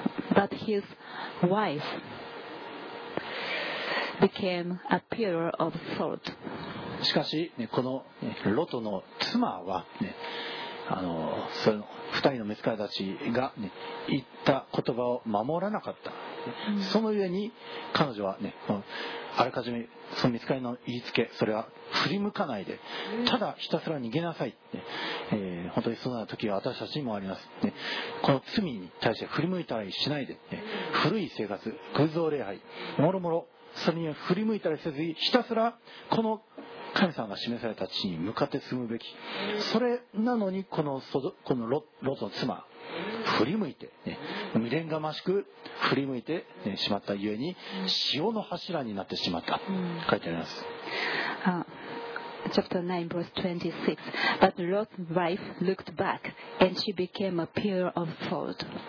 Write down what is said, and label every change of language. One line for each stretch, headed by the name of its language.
English: But his wife became a pillar of salt。
Japanese: しかし、ね、この、ね、ロトの妻は、ね、その2人の御使いたちが、ね、言った言葉を守らなかった。その上に彼女は、ね、あらかじめその見つかりの言いつけ、それは振り向かないでただひたすら逃げなさい、ね、本当にそんな時は私たちにもあります、ね、この罪に対して振り向いたりしないで、ね、古い生活、偶像礼拝もろもろそれに振り向いたりせずひたすらこの神様が示された地に向かって進むべき。それなのにこのロトの妻振り向いて、ね、未練がましく振り向いて、ね、しまったゆえに潮の柱になってしまった、書いてあります。
English: Chapter 9 verse 26 But Lot's wife looked back and she became a pillar of salt。